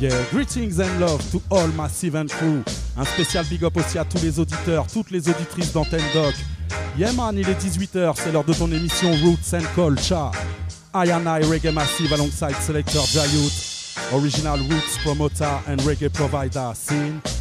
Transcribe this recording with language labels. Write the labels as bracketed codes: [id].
[en] Greetings and love to all Massive and crew. [fr] Un spécial big up aussi à tous les auditeurs, toutes les auditrices d'Antenne Doc. Yeah man, il est 18h, c'est l'heure de ton émission Roots and Culture. [en] I and I, Reggae Massive alongside Selector Jayut, original Roots promoter and reggae provider, Sin.